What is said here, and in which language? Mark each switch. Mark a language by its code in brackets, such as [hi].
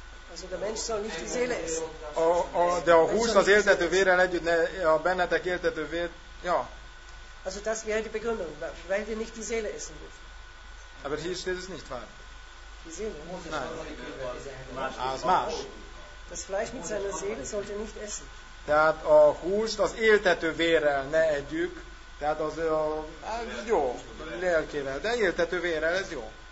[de] Also der Mensch soll nicht die Seele essen. [hu] De a hús az éltető vérrel együtt, a bennetek éltető vért, ja. [de] Also das wäre die Begründung, weil wir nicht die Seele essen dürfen. Aber hier steht es nicht, wahr? Die Seele? Nein. [hu] Az más. [de] Das Fleisch mit seiner Seele sollte nicht essen. [hu] Tehát a húst az éltető vérrel ne együk. Tehát az jó, lelkével, de éltető vérrel, ez jó.